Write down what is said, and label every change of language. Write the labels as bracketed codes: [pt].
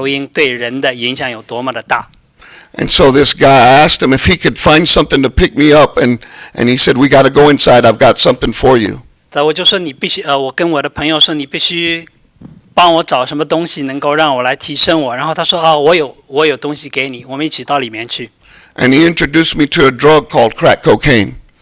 [zh] 我已经把各种各样的毒品都尝试过了，但是我就是不想试海洛因，因为我知道海洛因对人的影响有多么的大。 [en] And so this guy, I asked him if he could find something to pick me up, and he said, we got to go inside, I've got something for you. [zh] 我跟我的朋友说你必须 帮我找什么东西能够让我来提升我，然后他说，我有东西给你，我们一起到里面去。 [en] And he introduced me to a drug called crack cocaine.